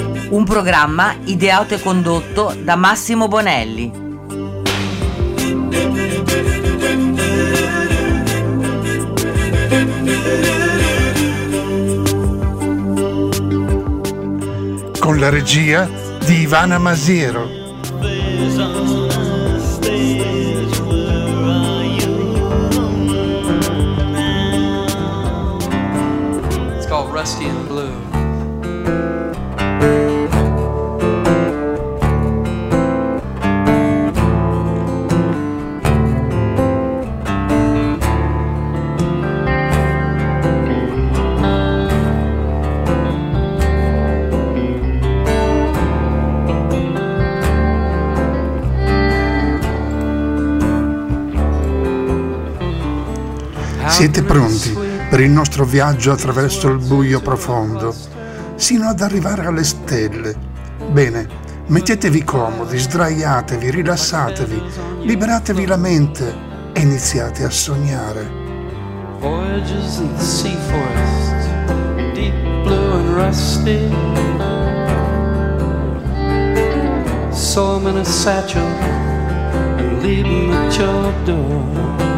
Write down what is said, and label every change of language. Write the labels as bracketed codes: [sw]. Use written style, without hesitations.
[it] Un programma ideato e condotto da Massimo Bonelli. Con la regia di Ivana Masiero. [en] It's called Rusty in Blue. [it] Siete pronti per il nostro viaggio attraverso il buio profondo, sino ad arrivare alle stelle. Bene, mettetevi comodi, sdraiatevi, rilassatevi, liberatevi la mente e iniziate a sognare. [en] Voyages in the sea forest, deep blue and rusty. So I'm in a satchel and leaving at your door.